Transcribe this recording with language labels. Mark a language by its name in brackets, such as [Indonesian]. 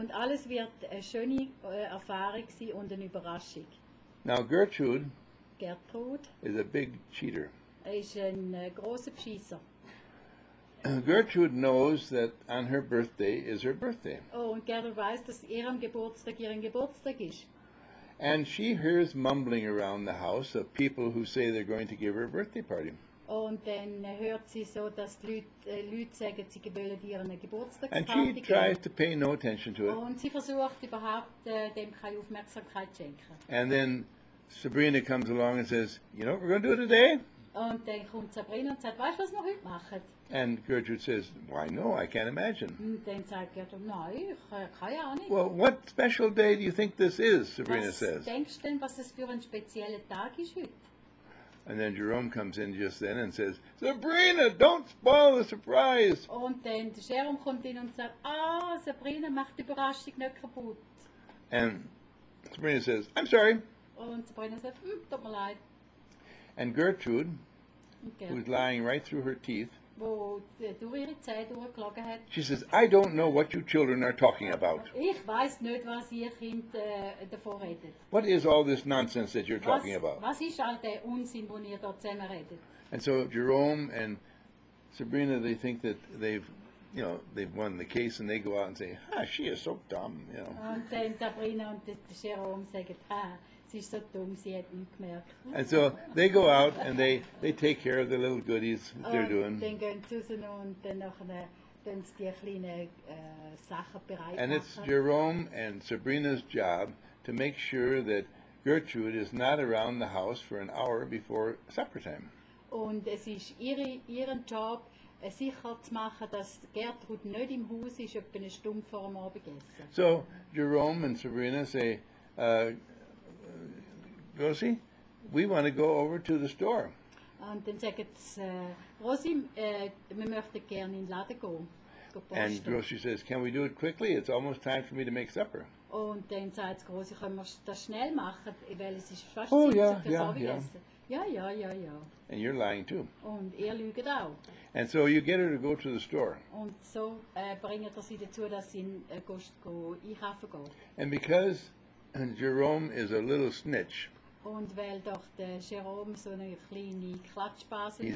[German] Und alles wird eine schöne Erfahrung sein und eine Überraschung. [English] Now Gertrud is a big cheater. [German] Ist ein großer Bescheisser. [English] Gertrude knows that on her birthday is her birthday. [German] Oh, und Gertrud weiß, dass ihrem Geburtstag ihren Geburtstag ist. [English] And she hears mumbling around the house of people who say they're going to give her a birthday party. [German] Und dann hört sie so, dass Leute sagen, sie wollen ihr eine Geburtstagsparty. [English] And she tries to pay no attention to it. [German] Und sie versucht überhaupt dem keine Aufmerksamkeit schenken. [English] And then Sabrina comes along and says, "You know what we're going to do today?" [German] Und dann kommt Sabrina und sagt, weißt du, was wir heute machen? [English] And Gertrude says, "Why no, I can't imagine." [German] Und dann sagt Gertrude, nein, ich keine Ahnung. [English] Well, what special day do you think this is, Sabrina says. [German] Was denkst du denn, was es für ein spezieller Tag ist heute? [English] And then Jerome comes in just then and says, "Sabrina, don't spoil the surprise." [German] Und dann Jerome kommt in und sagt, Sabrina, mach die Überraschung nicht kaputt. [English] And Sabrina says, "I'm sorry." [German] Und Sabrina sagt, tut mir leid. [English] And Gertrude, okay, who's lying right through her teeth, [German] wo durch ihre Zähne durchgelogen hat, [English] she says, "I don't know what you children are talking about." [German] Ich weiß nicht, was ihr Kind davor redet. [English] What is all this nonsense that you're talking about? [German] Was ist all der Unsinn, wo ihr dort zusammen redet? [English] And so Jerome and Sabrina, they think that they've won the case, and they go out and say, "She is so dumb," you know. [German] Und dann Sabrina und Jerome sagen, sie ist so dumm, sie hat nicht gemerkt. [English] And so they go out and they take care of the little goodies they're doing. [German] Dann gehen sie raus und dann machen sie die kleinen Sachen bereit. [English] And it's Jerome and Sabrina's job to make sure that Gertrude is not around the house for an hour before supper time. [German] Und es ist ihren Job, sicher zu machen, dass Gertrude nicht im Haus ist, etwa eine Stunde vor dem Abendessen. [English] So Jerome and Sabrina say, "Rosie, we want to go over to the store." [German] Und dann sagt Rosie, wir möchten gerne in den Laden gehen. [English] And Rosie says, "Can we do it quickly? It's almost time for me to make supper." [German] Und dann sagt Rosie, können wir das schnell machen, weil es ist fast Zeit zum Abendessen. Ja. [English] And you're lying too. [German] Und ihr lügt auch. [English] And so you get her to go to the store. [German] Und so bringt er sie dazu, dass sie in einkaufen geht. [English] And because Jerome is a little snitch. [German] Und weil doch der Jerome so eine kleine Klatschbase ist.